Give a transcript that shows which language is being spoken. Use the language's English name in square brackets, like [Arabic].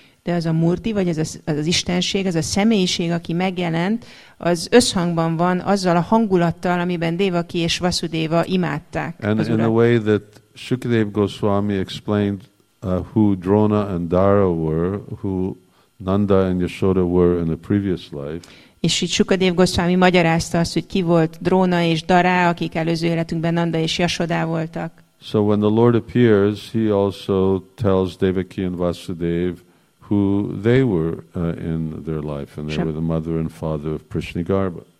[Hungarian] De az a murti, vagy az istenség, az a személyiség, aki megjelent, az összhangban van azzal a hangulattal, amiben Devaki és Vasudeva imádták [English] and [Hungarian] az Urat. [English] In the way that Shukadeva Goswami explained who Drona and Dara were, who Nanda and Yashoda were in a previous life. [Hungarian] És itt Shukadeva Goswami magyarázta azt, hogy ki volt Drona és Dara, akik előző életünkben Nanda és Yashoda voltak. [English] So when the Lord appears, he also tells Devaki and Vasudev who they were in their life, and they were the mother and father of Prishnigarbha.